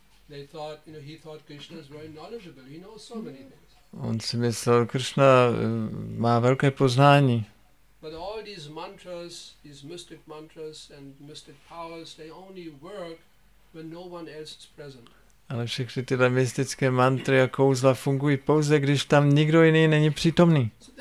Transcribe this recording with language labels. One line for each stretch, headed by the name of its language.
English: They thought, you know, he thought Krishna is very knowledgeable. He knows so many things.
Czech: On si myslel, Kršna má velké poznání.
English: But all these mantras, these mystic mantras and mystic powers, they only work when no one else is present.
Czech: Ale všechny tyhle mystické mantry a kouzla fungují pouze, když tam nikdo jiný není přítomný.